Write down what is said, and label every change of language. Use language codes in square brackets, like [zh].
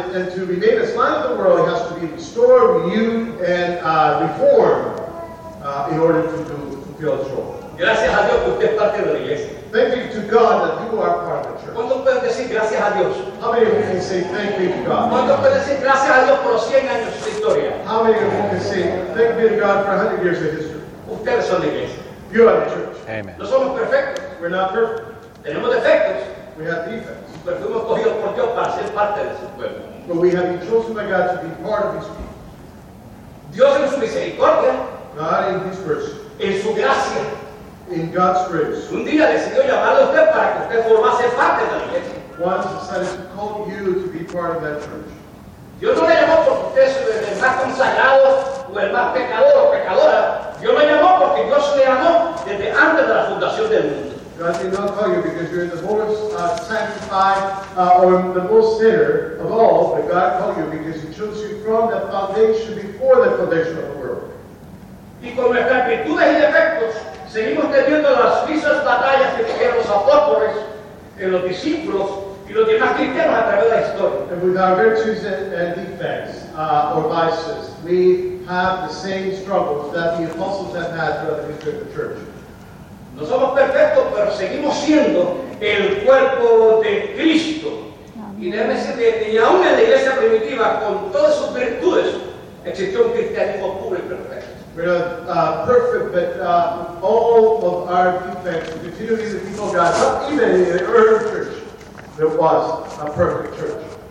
[en] And to remain as light of the world, it has to be restored, renewed, and reformed in order to fulfill its role. [es] Gracias a Dios que usted es parte de la iglesia. [en] Thank you to God that you are part of the church. [es] ¿Cuántos pueden decir gracias a Dios? [en] How many of you can say thank you to God? [es] ¿Cuántos pueden decir gracias a Dios por 100 años de historia? [en] How many of you can say thank you to God for 100 years of history? [es] Ustedes son la iglesia. [en] You are the church. Amen. [es] No somos perfectos. [en] We're not perfect. [es] Tenemos defectos. [en] We have defects. [es] Pero fuimos cogidos por Dios para ser parte de su pueblo. [en] But we have been chosen by God to be part of his people. [es] Dios en su misericordia. [en] God in His mercy. [es] En su gracia. [en] In God's grace. [es] Un día decidió llamarlo a usted para que usted formase parte de la iglesia. [en] Once decided to call you to be part of that church. [es] Dios no le llamó porque usted es el más consagrado o el más pecador o pecadora. Dios me llamó porque Dios le amó desde antes de la fundación del mundo. [en] God did not call you because you're the most sanctified or the most sinner of all, but God called you because He chose you from the foundation before the foundation of the world. [es] Y con nuestras virtudes y defectos, seguimos teniendo las mismas batallas que tuvieron los apóstoles, en los discípulos y los demás cristianos a través de la historia. [en] And with our virtues and defects or vices, we have the same struggles that the apostles have had throughout the history of the church. [es] No somos perfectos, pero seguimos siendo el cuerpo de Cristo. Y aún en la iglesia primitiva, con todas sus virtudes, existió un cristianismo puro y perfecto. [en] We're not perfect, but all of our defects, we continue to be the people of God, not even in the early church, there was a perfect church.